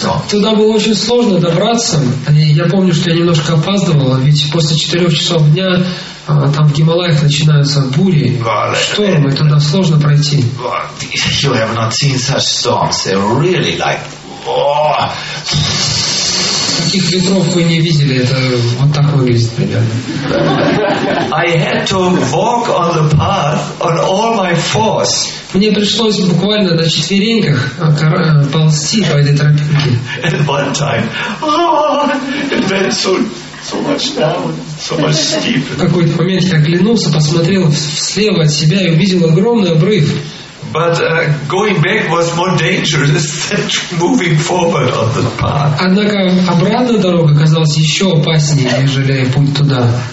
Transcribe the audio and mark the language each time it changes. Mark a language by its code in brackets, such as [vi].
[ru] Туда было очень сложно добраться. Я помню, что я немножко опаздывал, ведь после 4 часов дня там в Гималаях начинаются бури, штормы, туда сложно пройти. [en] You have not seen such storms. They're really like, oh. [ru] Каких ветров вы не видели? Это вот так выглядит примерно. [en] I had to walk on the path on all my force. [ru] Мне пришлось буквально на четвереньках ползти по этой тропинке. [en] At one time, it went so much down. So much steep. [ru] В какой-то момент я оглянулся, посмотрел слева от себя и увидел огромный обрыв. [en] But going back was more dangerous than moving forward on the path. [ru] Однако обратная дорога казалась еще опаснее, нежели путь туда.